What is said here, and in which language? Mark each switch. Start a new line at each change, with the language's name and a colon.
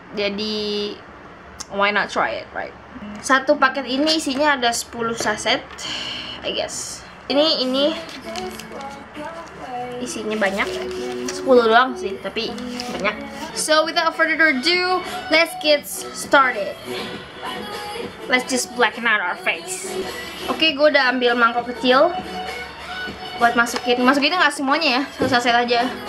Indonesian: Jadi
English: why not try it, right?
Indonesian: Satu paket ini isinya ada 10 saset,
English: I guess.
Indonesian: Ini isinya banyak. 10 doang sih, tapi banyak.
English: So without further ado, let's get started. Let's just blacken out our face.
Indonesian: Oke, gue udah ambil mangkok kecil buat masukin. Masukinnya nggak semuanya ya, selesai aja.